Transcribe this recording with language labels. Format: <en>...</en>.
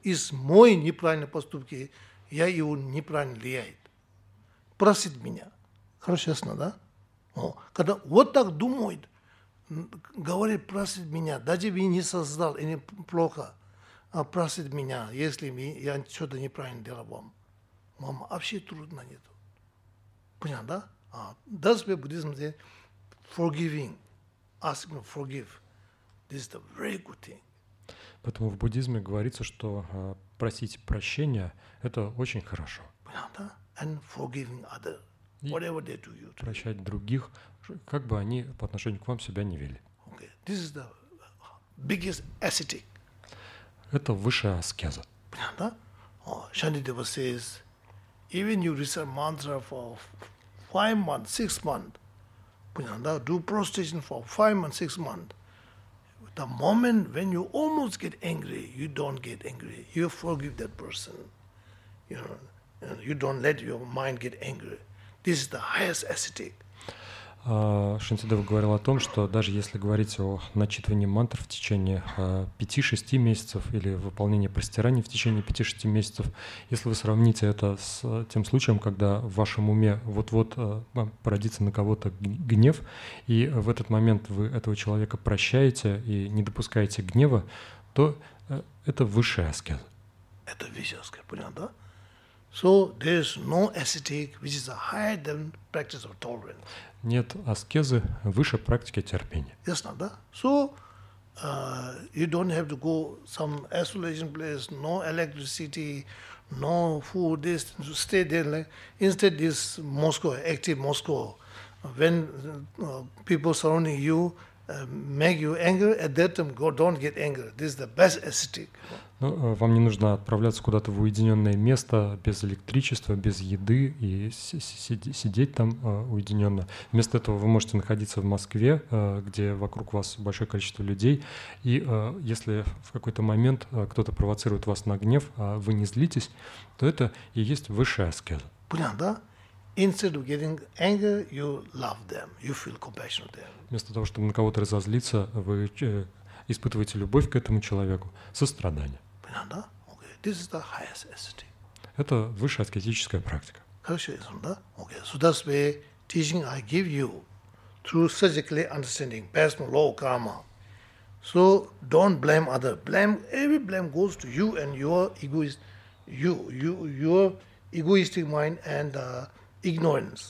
<ru>Из моей неправильной поступки я его неправильно влияет. Просит меня. Хорошо, ясно, да? О, когда вот так думает, говорит, просит меня, даже вы не создал, и не плохо, а просит меня, если я что-то неправильно делал вам. Вам вообще трудно нет. Понял, да?</ru> <en>That's why Buddhism says forgiving, asking to forgive. This is a very good thing.</en> <ru>Поэтому в буддизме говорится, что просить прощения – это очень хорошо. Понятно?</ru> <en>And forgiving other, whatever they do you.</en> <ru>Прощать других, как бы они по отношению к вам себя не вели.</ru> <en>Okay. This is the biggest ascetic.</en> <ru>Это высшая аскеза. Понятно?</ru> <en>Шанидева says, even you recite mantra for 5 months, 6 months,</en> <ru>понятно?</ru> <en>Do prostration for 5 months, 6 months. The moment when you almost get angry, you don't get angry. You forgive that person. You know, you don't let your mind get angry. This is the highest ascetic.</en> <ru>Шантидева говорил о том, что даже если говорить о начитывании мантр в течение 5-6 месяцев или выполнении простираний в течение 5-6 месяцев, если вы сравните это с тем случаем, когда в вашем уме вот-вот породится на кого-то гнев, и в этот момент вы этого человека прощаете и не допускаете гнева, то это высшая аскеза. Это высшая аскеза, понятно, да?</ru> <en>So there is no ascetic, which is a higher than practice of tolerance.</en> <ru>Нет аскезы выше практики терпения. Ясно, да?</ru> <en>So you don't have to go some isolation place, no electricity, no food, this, to stay there. Like, instead, this Moscow, active Moscow, when people surrounding you make you angry, at that time, go, don't get angry. This is the best ascetic.</en> <ru>Ну, вам не нужно отправляться куда-то в уединенное место без электричества, без еды и сидеть там уединенно. Вместо этого вы можете находиться в Москве, где вокруг вас большое количество людей. И если в какой-то момент кто-то провоцирует вас на гнев, а вы не злитесь, то это и есть высшая аскеза. Понятно, да?</ru> <en>Instead of getting anger, you love them, you feel compassion for them.</en> <ru>Вместо того, чтобы на кого-то разозлиться, вы испытываете любовь к этому человеку, сострадание. Понятно, да?</ru> <en>Okay. This is the highest ascetic.</en> <ru>Это высшая аскетическая практика. Хорошо, да? Okay.</ru> <en>So that's the teaching I give you through surgically understanding personal law karma. So don't blame other. Blame, every blame goes to you and your egoist, your egoistic mind and ignorance.</en>